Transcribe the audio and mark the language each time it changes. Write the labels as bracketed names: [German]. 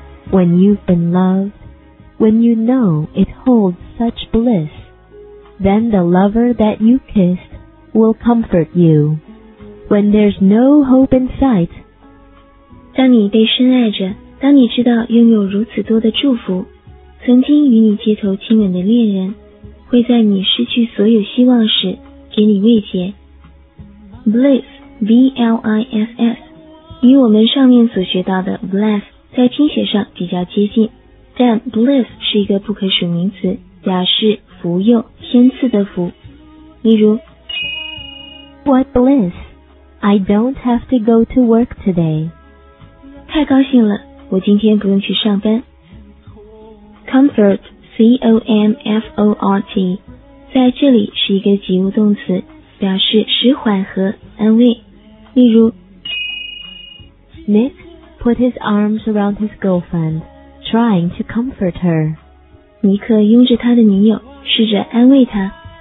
[English] When you've been loved, when you know it holds such bliss, then the lover that you kissed will comfort you. When there's no hope in sight, [Chinese] 当你被深爱着，当你知道拥有如此多的祝福，曾经与你街头亲吻的恋人会在你失去所有希望时给你慰藉。 Bliss B-L-I-S-S 与我们上面所学到的 Bless 在拼写上比较接近，但 Bliss 是一个不可数名词，表示福佑天赐的福。例如 [English] What bliss I don't have to go to work today. [Chinese] 太高兴了，我今天不用去上班。Comfort C-O-M-F-O-R-T 在这里是一个及物动词，表示使缓和安慰。例如 [English] Nick put his arms around his girlfriend trying to comfort her. [Chinese] 尼克拥着他的女友试着安慰他。